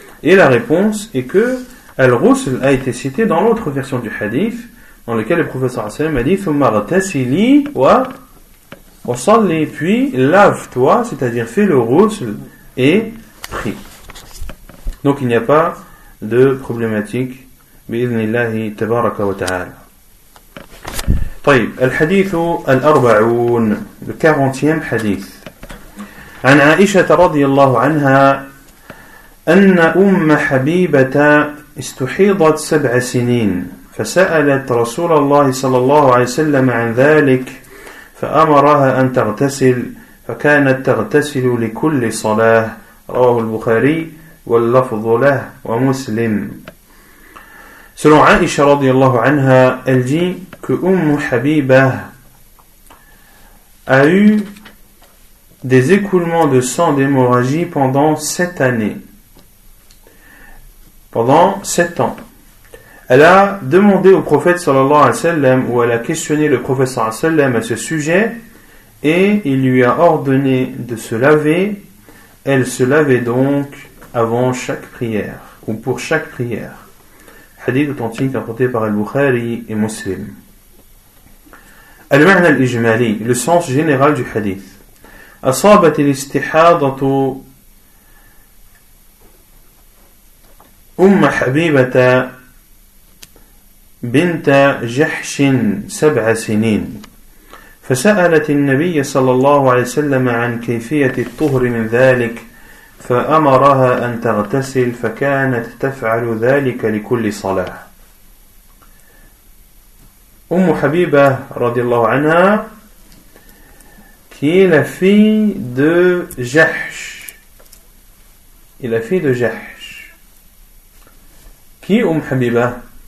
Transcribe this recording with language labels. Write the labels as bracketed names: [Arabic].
[French] Et la réponse est que Al-Ghusl a été cité dans l'autre version du hadith, dans lequel le prophète sallallahu alayhi wa sallam a dit [Arabic] Thumma ghtasili wa salli, [French] puis lave-toi, c'est-à-dire fais le ghusl et prie. Donc il n'y a pas de problématique. [Arabic] Bi'idhnillahi tabaraka wa ta'ala. طيب, الحديث الأربعون, [French] le 40e hadith. [Arabic] عن عائشة رضي الله عنها أن أم حبيبة استحيضت سبع سنين فسألت رسول الله صلى الله عليه وسلم عن ذلك فأمرها أن تغتسل فكانت تغتسل لكل صلاة رواه البخاري واللفظ له ومسلم [French] selon عائشة رضي الله عنها elle dit que أم حبيبة a eu des écoulements de sang d'hémorragie pendant 7 années. Pendant 7 ans. Elle a demandé au prophète sallallahu alayhi wa sallam, ou elle a questionné le prophète sallallahu alayhi wa sallam à ce sujet, et il lui a ordonné de se laver. Elle se lavait donc avant chaque prière, ou pour chaque prière. Hadith authentique apporté par Al-Bukhari et Muslim. [Arabic] Al-Ma'na al-Ijmali, [French] le sens général du hadith. [Arabic] أصابت الاستحاضة أم حبيبة بنت جحش 7 سنين فسألت النبي صلى الله عليه وسلم عن كيفية الطهر من ذلك فأمرها أن تغتسل فكانت تفعل ذلك لكل صلاة. أم حبيبة رضي الله عنها [French] qui est la fille de Jahsh. Et la fille de Jahsh. Qui est Umm Habiba?